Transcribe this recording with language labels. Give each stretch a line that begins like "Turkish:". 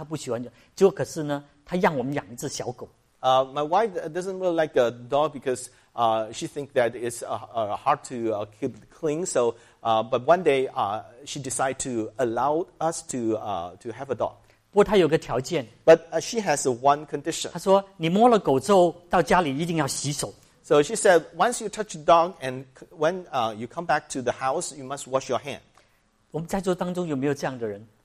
Chinese: 他就准许我们养一只狗，他不喜欢狗，因为狗觉得很脏，他不喜欢。就可是呢，他让我们养一只小狗。
English: My wife doesn't really like a dog because she thinks that it's hard to keep clean. So, but one day she decided to allow us to have a dog.
Chinese: 不过他有个条件。
English: But she has one condition.
Chinese: 他说，你摸了狗之后，到家里一定要洗手。
English: So she said, once you touch the dog and when you come back to the house, you must wash your hand.
Chinese: 我们在座当中有没有这样的人?